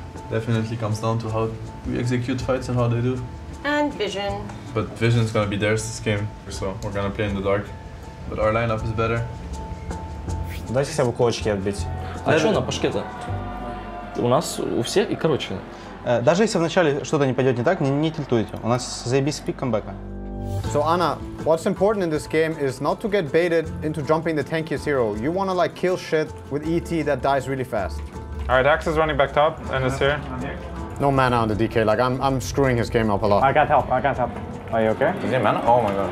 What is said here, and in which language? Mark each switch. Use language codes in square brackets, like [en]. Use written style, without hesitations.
[en] Definitely comes down to how we execute fights and how they do. And vision. But vision is gonna be theirs this game, so we're gonna play in the dark. But our lineup is better. [ru] Дайте себе кулачки отбить. А что на пашке-то? У нас у всех и короче. Даже если вначале что-то не пойдет не так, не тильтуйте. У нас заебись пик камбэка. [en] So Anna, what's important in this game is not to get baited into jumping the tankiest hero. You wanna like kill shit with ET that dies really fast. Alright, Axe is running back top and is here. No mana on the DK, like I'm screwing his game up a lot. I can't help. Are you okay? Is he mana? Oh my god.